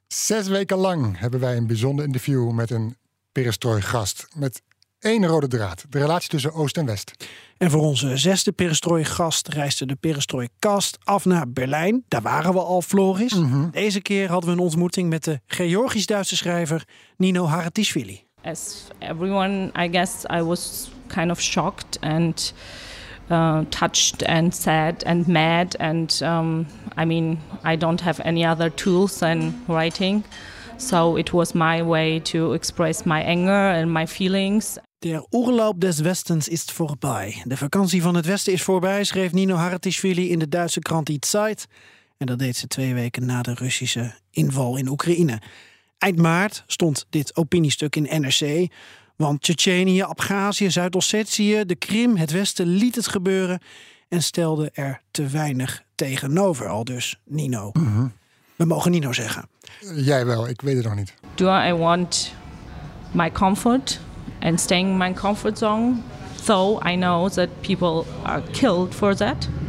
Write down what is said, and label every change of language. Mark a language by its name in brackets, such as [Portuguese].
[Dutch] Zes weken lang hebben wij een bijzonder interview met een Perestroikast. Met één rode draad, de relatie tussen Oost en West. En voor onze zesde Perestroikast reisde de Perestroikast af naar Berlijn. Daar waren we al, Floris. Mm-hmm. Deze keer hadden we een ontmoeting met de Georgisch-Duitse schrijver Nino Haratischvili. [English] As everyone, I guess I was kind of shocked and touched and sad and mad. And I mean, I don't have any other tools than writing. So it was my way to express my anger and my feelings. [German] Der Urlaub des Westens ist vorbei. [Dutch] De vakantie van het Westen is voorbij, schreef Nino Haratischvili in de Duitse krant Die Zeit. En dat deed ze 2 weken na de Russische inval in Oekraïne. Eind maart stond dit opiniestuk in NRC. Want Tsjetsjenië, Abchazië, Zuid-Ossetië, de Krim, het Westen liet het gebeuren en stelde er te weinig tegenover, aldus Nino. Mm-hmm. We mogen Nino zeggen. Jij wel, ik weet het nog niet. [English] Do I want my comfort and staying in my comfort zone? So I know that people are killed for that.